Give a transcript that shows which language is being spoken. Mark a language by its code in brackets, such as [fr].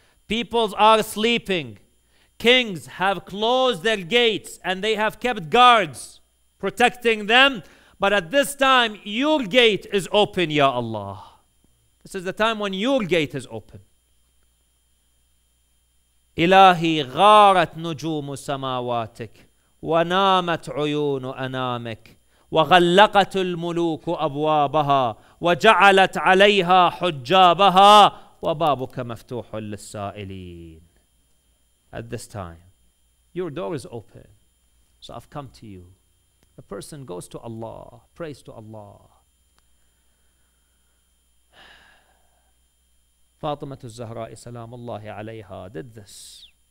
[en] People are sleeping. Kings have closed their gates and they have kept guards protecting them. But at this time, your gate is open, Ya Allah. This is the time when your gate is open. [ar] إلهي غارت نجوم سماواتك ونامت عيون أنامك وغلقت الملوك أبوابها وجعلت عليها حجابها وبابك مفتوح للسائلين. [en] At this time, your door is open. So I've come to you. The person goes to Allah, prays to Allah. Fatima al-Zahra, salamullahi alayha, did this.